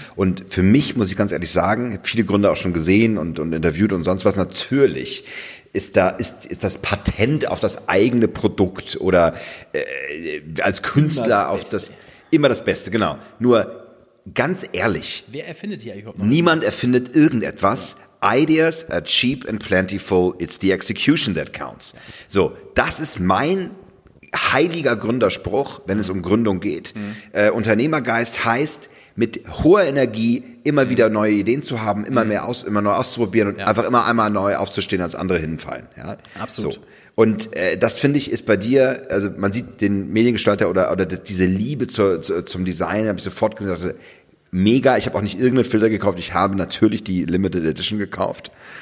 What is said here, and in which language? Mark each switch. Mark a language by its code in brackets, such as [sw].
[de] Und für mich muss ich ganz ehrlich sagen, ich habe viele Gründer auch schon gesehen und interviewt und sonst was. Natürlich ist das Patent auf das eigene Produkt oder als Künstler auf das immer das Beste, genau. Nur ganz ehrlich, wer erfindet hier überhaupt noch niemand was? Erfindet irgendetwas. Ja. [en] Ideas are cheap and plentiful, it's the execution that counts. [de] So, das ist mein heiliger Gründerspruch, wenn es um Gründung geht. Mhm. Unternehmergeist heißt, mit hoher Energie immer wieder neue Ideen zu haben, immer mehr aus, immer neu auszuprobieren und einfach immer einmal neu aufzustehen, als andere hinfallen. Ja? Absolut. So. Und das finde ich ist bei dir, also man sieht den Mediengestalter oder diese Liebe zum Design, habe ich sofort gesagt, mega, ich habe auch nicht irgendeinen Filter gekauft, ich habe natürlich die Limited Edition gekauft.